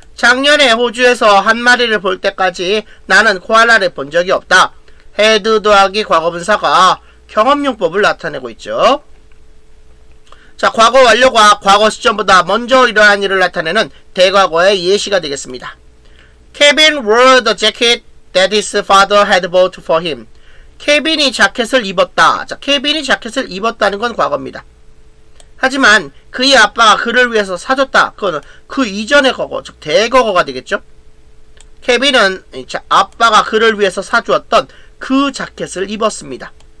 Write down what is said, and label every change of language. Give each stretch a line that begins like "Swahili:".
Korean: 작년에 호주에서 한 마리를 볼 때까지 나는 코알라를 본 적이 없다. had 더하기 과거분사가 경험용법을 나타내고 있죠. 자, 과거 완료가 과거 시점보다 먼저 일어난 일을 나타내는 대과거의 예시가 되겠습니다.
English: Kevin wore the jacket that his father had bought for him.
Korean: 케빈이 자켓을 입었다. 자, 케빈이 자켓을 입었다는 건 과거입니다. 하지만 그의 아빠가 그를 위해서 사줬다. 그건 그 이전의 과거, 즉 대과거가 되겠죠. 케빈은 아빠가 그를 위해서 사주었던 그 자켓을 입었습니다.